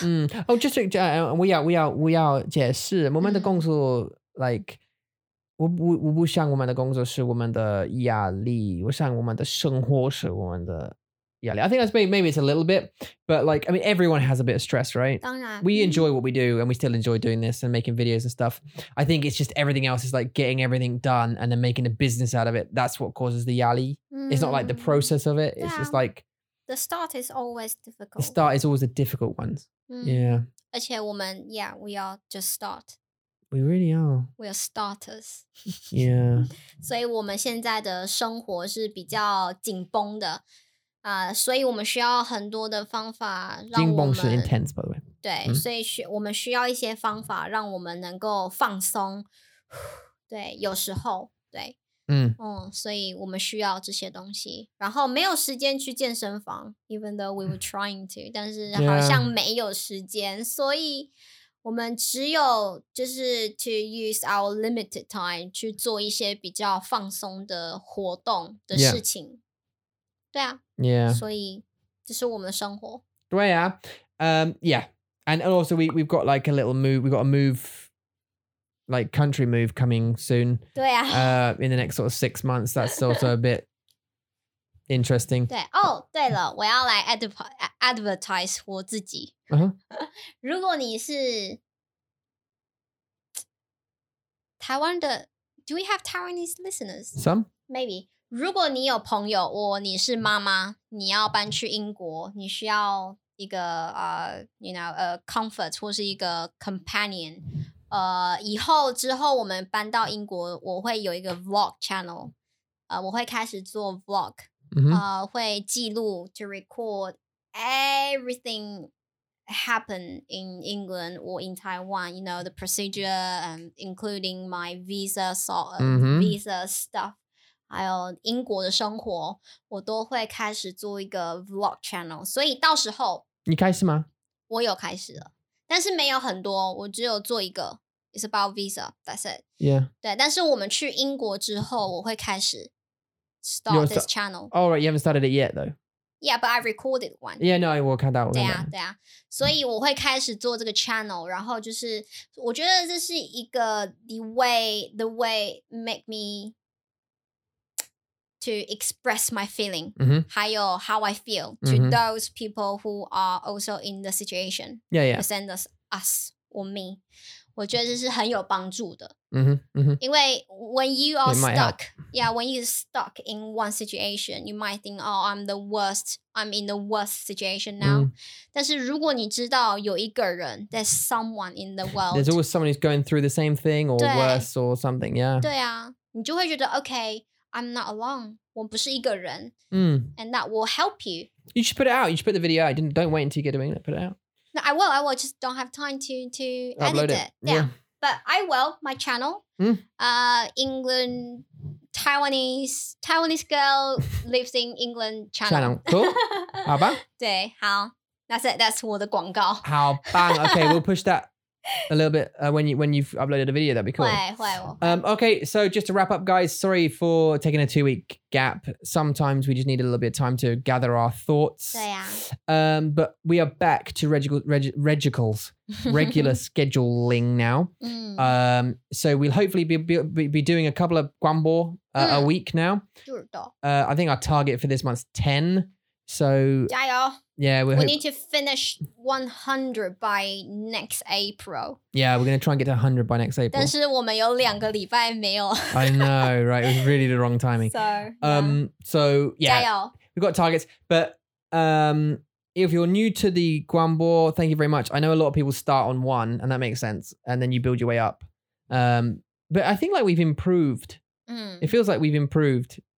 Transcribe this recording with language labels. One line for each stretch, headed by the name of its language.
Chinese: 嗯，哦，就是，我要解释，我们的工作，
English: like,
Chinese: 我不想我们的工作是我们的压力，我想我们的生活是我们的压力。
English: I think that's maybe it's a little bit, but like, I mean, everyone has a bit of stress, right?
Chinese: 当然。
English: We enjoy what we do, and we still enjoy doing this and making videos and stuff. I think it's just everything else is like getting everything done and then making a business out of it. That's what causes the
Chinese: 压力.
English: It's not like the process of it. It's just like... The start is always difficult. The start is always a difficult one. Yeah.
Chinese: 而且我们,
English: yeah, we are just start. We really are. We are starters. Yeah.
Chinese: 所以我们现在的生活是比较紧绷的。所以我们需要很多的方法让我们。紧绷是 intense, by the way. 对,所以我们需要一些方法让我们能够放松。对,有时候,对。嗯, 嗯，所以我们需要这些东西，然后没有时间去健身房 ，
English: even though we were trying to，
Chinese: 但是好像没有时间， yeah. 所以我们只有就是
English: to use our limited time
Chinese: 去做一些比较放松的活动的事情。
English: Yeah.
Chinese: 对啊
English: ，Yeah，
Chinese: 所以这是我们的生活。对啊，
English: yeah， and also we've got like a little move， we've got a move。 Like country move coming soon.
Chinese: 对啊。
English: In the next sort of 6 months, that's also a bit interesting.
Chinese: 对哦，
English: oh,
Chinese: 对了，我要来 advertise 我自己。
English: Uh-huh.
Chinese: 如果你是台湾的
English: ，Do we have Taiwanese listeners? Some maybe.
Chinese: 如果你有朋友，或你是妈妈，你要搬去英国，你需要一个
English: you know, a comfort
Chinese: 或是一个 companion。以后之后我们搬到英国，我会有一个 vlog channel， 我会开始做 vlog，会记录
English: to record everything happen in England or in Taiwan， you know the procedure and including my visa sort of visa stuff，
Chinese: 还有英国的生活，我都会开始做一个 vlog channel， 所以到时候你开始吗？我有开始了。但是没有很多，我只有做一个 ，
English: It's about visa. That's it. Yeah.
Chinese: 对，但是我们去英国之后，我会开始
English: start this channel. Oh, right, you haven't started it yet, though. Yeah, but I recorded one. Yeah, no,
Chinese: 我看到。对啊，对啊，所以我会开始做这个 channel， 然后就是我觉得这是一个
English: the way make me to express my feeling，
Chinese: 还有
English: how I feel to those people who are also in the situation， yeah, yeah. Present us or me，
Chinese: 我觉得这是很有帮助的，因为
English: when you are stuck， yeah， when you stuck in one situation， you might think， oh， I'm in the worst situation now，
Chinese: 但是如果你知道有一个人，
English: there's someone in the world， there's always someone who's going through the same thing or worse or something， yeah，
Chinese: 对啊，你就会觉得
English: okay，I'm not alone.
Chinese: 我不是一个人。
English: And that will help you. You should put it out. You should put the video out. Don't wait until you get doing it. Put it out. No, I will. Just don't have time to edit it. Yeah. But I will. My channel. England, Taiwanese girl lives in England channel. Cool.
Chinese: 好吧。对，好。
English: That's it. That's
Chinese: 我的广告。
English: 好棒。 Okay, we'll push that. A little bit when you've uploaded a video, that'd be cool. Okay, so just to wrap up, guys, sorry for taking a 2 week gap. Sometimes we just need a little bit of time to gather our thoughts. But we are back to regular scheduling now. So we'll hopefully be doing a couple of guambo a week now. I think our target for this month's 10. So
Chinese: 加油。
English: Yeah, we need to finish 100 by next April. Yeah, we're going to try and get to 100 by next April.
Chinese: 但是我们有两个礼拜没有。
English: I know, right? It was really the wrong timing. So, yeah.
Chinese: 加油。
English: We've got targets. But if you're new to the Guambo, thank you very much. I know a lot of people start on one, and that makes sense. And then you build your way up. But I think like we've improved. It feels like we've improved.